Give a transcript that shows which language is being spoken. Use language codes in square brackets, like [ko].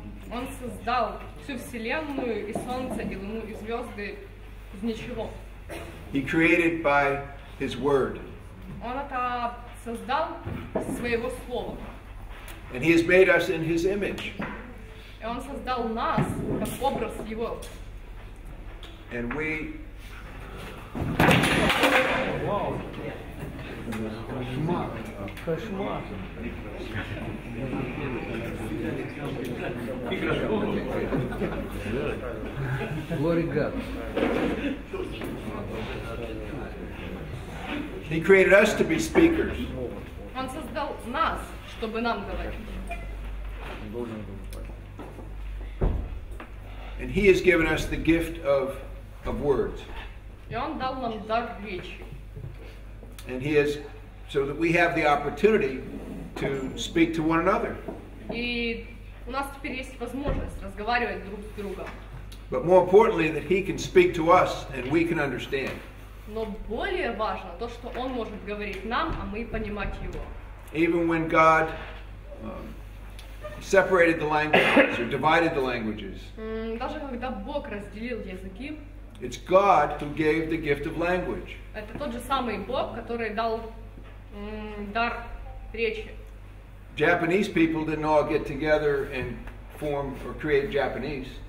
[ru] Он создал всю вселенную и солнце и луну и звезды из ничего. [en] He created by His word. [ru] Он это создал своего слова. [en] And He has made us in His image. [ru] И он создал нас как образ Его. [en] And we. Glory God. He created us to be speakers. [ru] Он создал нас, чтобы нам говорить. [en] And He has given us the gift of words. [ru] И он дал нам дар речи. [en] And He has so that we have the opportunity to speak to one another. [ru] И у нас теперь есть возможность разговаривать друг с другом. [en] But more importantly, that He can speak to us and we can understand. [ru] Но более важно то, что Он может говорить нам, а мы понимать Его. [en] Even when God separated the languages or divided the languages. [ru] Даже когда Бог разделил языки. [en] It's God who gave the gift of language. [ru] Это тот же самый Бог, который дал дар речи. [en] Japanese people didn't all get together and form or create Japanese.